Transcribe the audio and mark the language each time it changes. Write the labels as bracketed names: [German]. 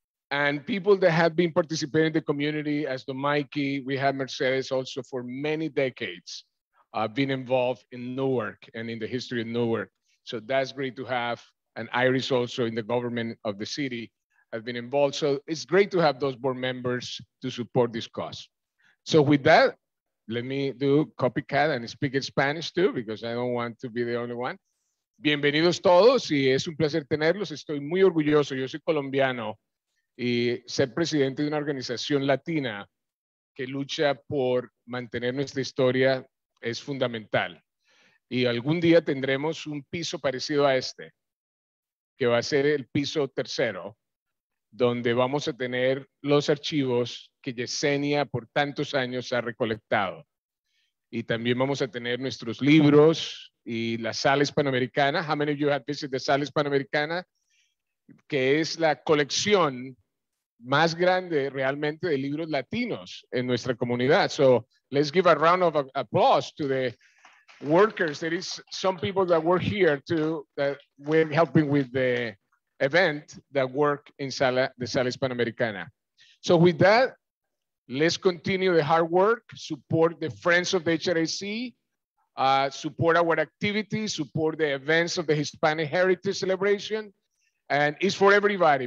[English] And people that have been participating in the community, as the Mikey, we have Mercedes also for many decades, been involved in Newark and in the history of Newark. So that's great to have. And Iris also in the government of the city has been involved. So it's great to have those board members to support this cause. So with that, let me do copycat and speak in Spanish too, because I don't want to be the only one. [Spanish] Bienvenidos todos y es un placer tenerlos. Estoy muy orgulloso. Yo soy colombiano y ser presidente de una organización latina que lucha por mantener nuestra historia es fundamental. Y algún día tendremos un piso parecido a este, que va a ser el piso tercero, donde vamos a tener los archivos que Yesenia por tantos años ha recolectado. Y también vamos a tener nuestros libros y la sala hispanoamericana. [English] How many of you have visited the sala hispanoamericana? [Spanish] Que es la colección más grande realmente de libros latinos en nuestra comunidad. [English] So let's give a round of applause to the workers. There is some people that work here too, that we're helping with the event that work in sala, the sala hispanoamericana. So with that, let's continue the hard work, support the friends of the HRAC, support our activities, support the events of the Hispanic Heritage Celebration, and it's for everybody.